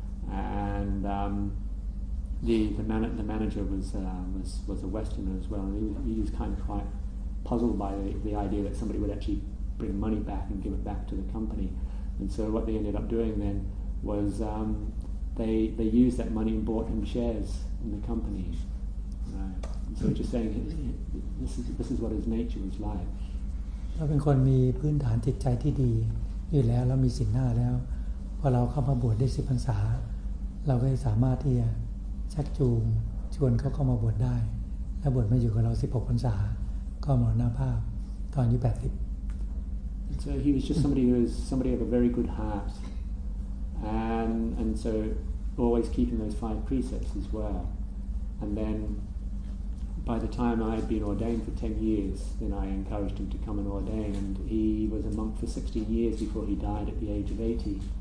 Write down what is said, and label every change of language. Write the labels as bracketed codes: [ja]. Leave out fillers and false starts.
[en] And the manager was a Westerner as well, and he was kind of quite puzzled by the idea that somebody would actually bring money back and give it back to the company. And so what they ended up doing then was. They used that money and bought him shares in the company. So just saying, this is what his nature was like. [th] เราเป็นคนมีพื้นฐานจิตใจที่ดีอยู่แล้วเรามีศีลห้าแล้วพอเราเข้ามาบวชได้10พรรษาเราก็สามารถที่จะชักจูงชวนเขาเข้ามาบวชได้และบวชมาอยู่กับเรา16พรรษาก็มรณภาพตอนอายุ80 [en] So he was just somebody with a very good heart. And so always keeping those five precepts as well. And then by the time I had been ordained for 10 years, then I encouraged him to come and ordain. And he was a monk for 16 years before he died at the age of 80.